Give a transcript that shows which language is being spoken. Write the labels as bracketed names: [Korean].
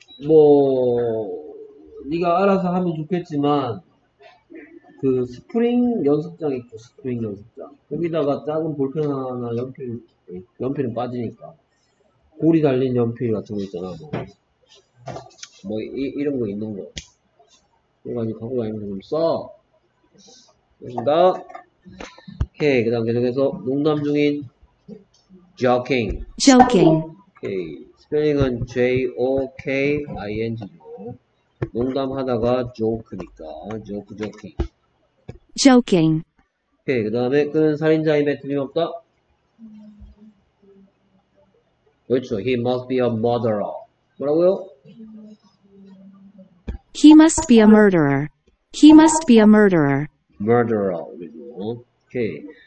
[Korean] 뭐 네가 알아서 하면 좋겠지만 그 스프링 연습장 있고 스프링 연습장 여기다가 작은 볼펜 하나 연필 연필은 빠지니까 고리 달린 연필 같은 거 있잖아 뭐 이런 거 있는 거 이거 아니 갖고 다니면서 좀 써. 됐습니다. 오케이. 그다음 계속해서 농담 중인 joking. [English] joking. [Korean] 오케이. 스펠링은 J-O-K-I-N-G죠. 농담하다가 joke니까 joke joking. [English] joking. [Korean] 오케이. 그 다음에 그는 살인자임에 틀림없다. 그렇죠. [English] He must be a murderer. [Korean] 뭐라고요? [English] He must be a murderer. He must be a murderer. [Korean] murderer. 그렇죠. 오케이.